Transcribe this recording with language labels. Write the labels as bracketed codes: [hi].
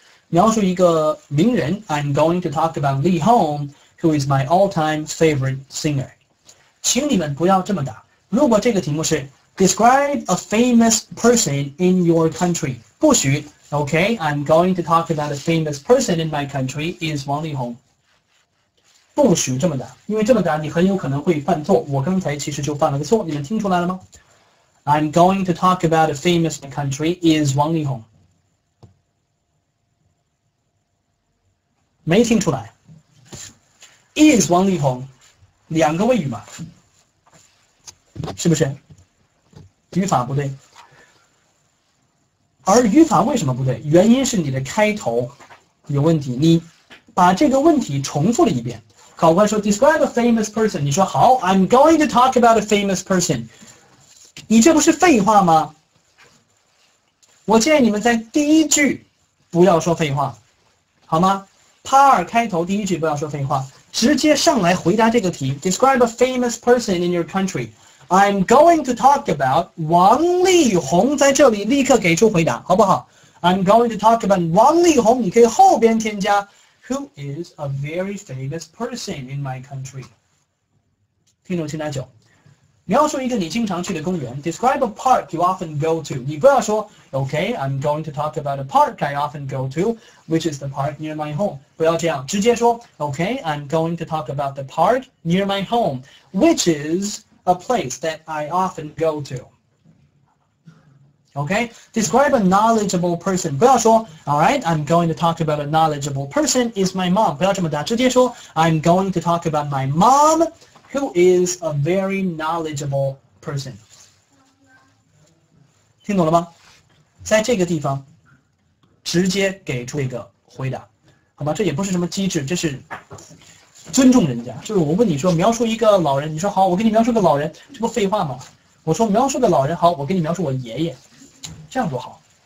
[zh] 描述一个名人， [en] I'm going to talk about Lee Hong who is my all-time favorite singer。 [zh] 请你们不要这么答，如果这个题目是 [en] Describe a famous person in your country， [zh] 不许。 [en] OK， I'm going to talk about a famous person in my country is 王力宏。 [zh] 不许这么答，因为这么答你很有可能会犯错，我刚才其实就犯了个错，你们听出来了吗？ [en] I'm going to talk about a famous country is 王力宏。 [zh] 没听出来。 Is 王力宏，两个谓语嘛，是不是？语法不对。而语法为什么不对？原因是你的开头有问题，你把这个问题重复了一遍。考官说 [en] Describe a famous person， [zh] 你说好 [en] I'm going to talk about a famous person， [zh] 你这不是废话吗？我建议你们在第一句不要说废话，好吗？ Part 开头第一句不要说废话，直接上来回答这个题。 [en] Describe a famous person in your country， I'm going to talk about 王力宏。 [zh] 在这里立刻给出回答，好不好？ [en] I'm going to talk about 王力宏， [zh] 你可以后边添加 [en] Who is a very famous person in my country。 [zh] 听懂请打九。描述一个你经常去的公园， [en] Describe a park you often go to， [zh] 你不要说 [en] OK I'm going to talk about a park I often go to which is the park near my home， [zh] 不要这样，直接说 [en] OK I'm going to talk about the park near my home which is a place that I often go to。 OK， Describe a knowledgeable person， [zh] 不要说 [en] Alright I'm going to talk about a knowledgeable person is my mom， [zh] 不要这么答，直接说 [en] I'm going to talk about my momWho is a very knowledgeable person？ [zh] 听懂了吗？在这个地方，直接给出一个回答，好吗？这也不是什么机智，这是尊重人家。就是我问你说，描述一个老人，你说好，我给你描述个老人，这不废话吗？我说描述个老人，好，我给你描述我爷爷，这样多好。